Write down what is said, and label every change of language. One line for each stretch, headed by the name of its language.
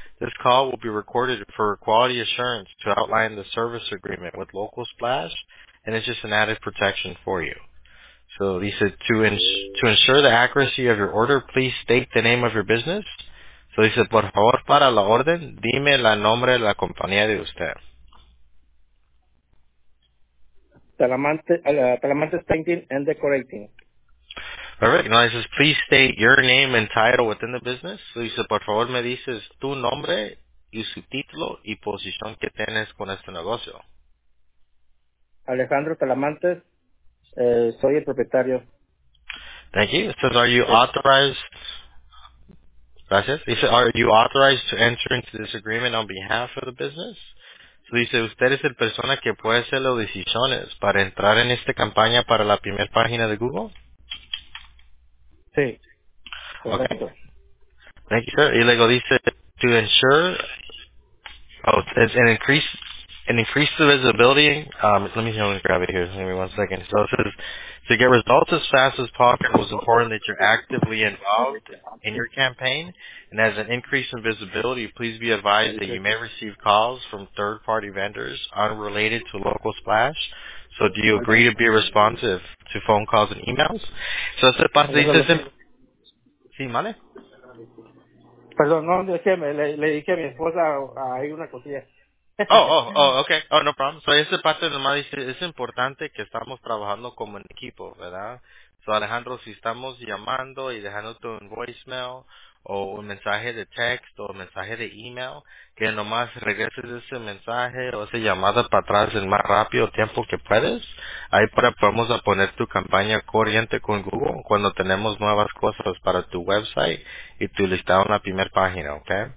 English: This call will be recorded for quality assurance to outline the service agreement with Local Splash, and it's just an added protection for you. So dice, to ensure the accuracy of your order, please state the name of your business.
Spanish: So dice, por favor, para la orden, dime el nombre de la compañía de usted.
English: Talamante Painting and Decorating. Perfect. Now, it says, please state your name and title within the business.
Spanish: So, dice, por favor, me dices tu nombre y su título y posición que tienes con este negocio. Alejandro Talamantes, soy el propietario.
English: Thank you. It says, are you authorized? Gracias. Dice, are you authorized to enter into this agreement on behalf of the business?
Spanish: So, dice, usted es el persona que puede hacer las decisiones para entrar en esta campaña para la primera página de Google. Sí.
English: Okay. Thank you, sir. Y luego dice, to ensure, an increase the visibility, let me see, grab it here, give me one second. So it says, to get results as fast as possible, it's important that you're actively involved in your campaign, and as an increase in visibility, please be advised that you may receive calls from third-party vendors unrelated to local splash. So do you agree to be responsive to phone calls and emails?
Spanish: So ese paso dice... Sí, ¿vale? Perdón, no, es que le dije a mi esposa ahí una cosilla.
English: Oh, okay. Oh, no problem.
Spanish: So ese paso nomás dice, es importante que estamos trabajando como un equipo, ¿verdad? So Alejandro, si estamos llamando y dejándote un voicemail o un mensaje de texto o un mensaje de email, que nomás regreses ese mensaje o esa llamada para atrás en más rápido tiempo que puedes, ahí podemos poner tu campaña corriente con Google cuando tenemos nuevas cosas para tu website y tu listado en la primera página, ¿ok?